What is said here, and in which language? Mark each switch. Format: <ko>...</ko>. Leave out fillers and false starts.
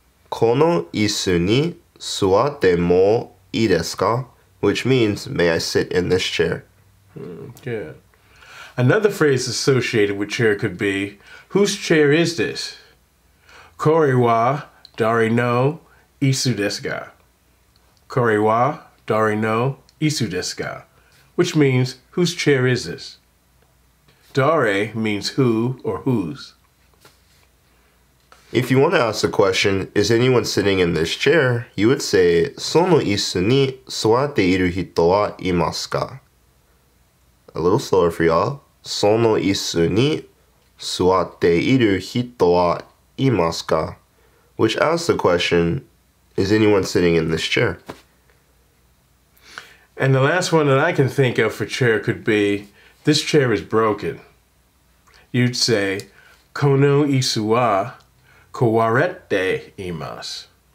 <ja>この椅子に座ってもいいですか?</ja> <en>Which means, may I sit in this chair? Another phrase associated with chair could be, whose chair is this?</en> <ja>Kore wa dare no isu desu ga? Kore wa dare no isu desu ga?</ja> <en>Which means, whose chair is this? Dare means who or whose. If you want to ask the question, is anyone sitting in this chair? You would say,</en> <ja>その椅子に座っている人はいますか?</ja> <en>A little slower for y'all.</en> <ja>その椅子に座っている人はいますか?</ja> <en>Which asks the question, is anyone sitting in this chair? And the last one that I can think of for chair could be, this chair is broken. You'd say,</en> <ja>この椅子は Kowarete imas.</ja>